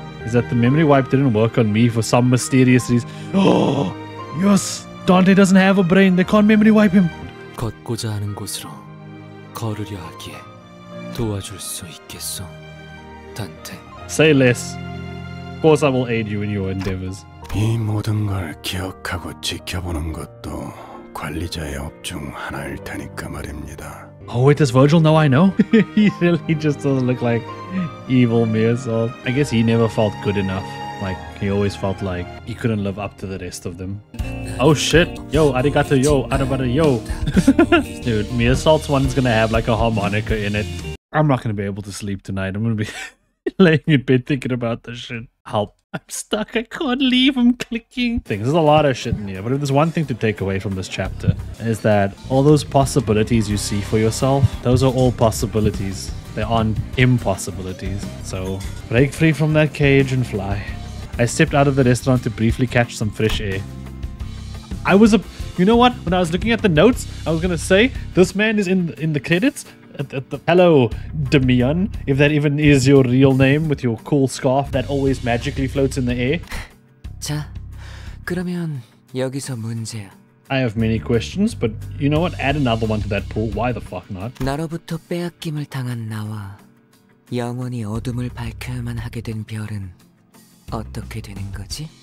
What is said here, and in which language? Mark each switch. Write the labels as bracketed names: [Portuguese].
[English] Is that the memory wipe didn't work on me for some mysterious reason? Oh, yes. Dante doesn't have a brain. They can't memory wipe him. [Korean] 걷고자 하는 곳으로 걸으려 하기에 도와줄 수 있겠소, Dante? [English] Say less. Of course, I will aid you in your endeavors. [Korean] 이 모든 걸 기억하고 지켜보는 것도 관리자의 업종 하나일 테니까 말입니다. [English] Oh wait, does Virgil know I know? He really just doesn't look like evil me as well. I guess he never felt good enough. Like, he always felt like he couldn't live up to the rest of them. Oh shit. Yo, arigato, yo, arabara, yo. Dude, Mia Salt's one's gonna have like a harmonica in it. I'm not gonna be able to sleep tonight. I'm gonna be laying in bed thinking about this shit. Help. I'm stuck. I can't leave. I'm clicking. There's a lot of shit in here, but if there's one thing to take away from this chapter, is that all those possibilities you see for yourself, those are all possibilities. They aren't impossibilities. So break free from that cage and fly. I stepped out of the restaurant to briefly catch some fresh air. You know what? When I was looking at the notes, I was going to say, this man is in the credits. Hello, Demian, if that even is your real name with your cool scarf that always magically floats in the air. [Korean] 자, 그러면 여기서 문제야. [English] I have many questions, but you know what? Add another one to that pool. Why the fuck not? [Korean] 나로부터 빼앗김을 당한 나와 영원히 어둠을 밝혀야만 하게 된 별은 어떻게 되는 거지?